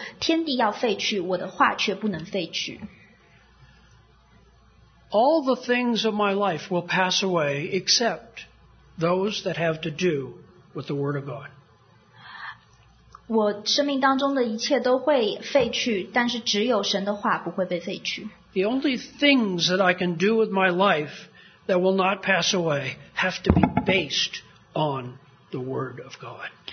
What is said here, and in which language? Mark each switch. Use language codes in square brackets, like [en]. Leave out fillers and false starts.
[zh] 这耶稣对他的门徒说过，天地要废去，我的话却不能废去。 [en] All the things of my life will pass away except those that have to do with the Word of God. [zh] 我生命当中的一切都会废去，但是只有神的话不会被废去。 [en] The only things that I can do with my life that will not pass away have to be based on the Word of God.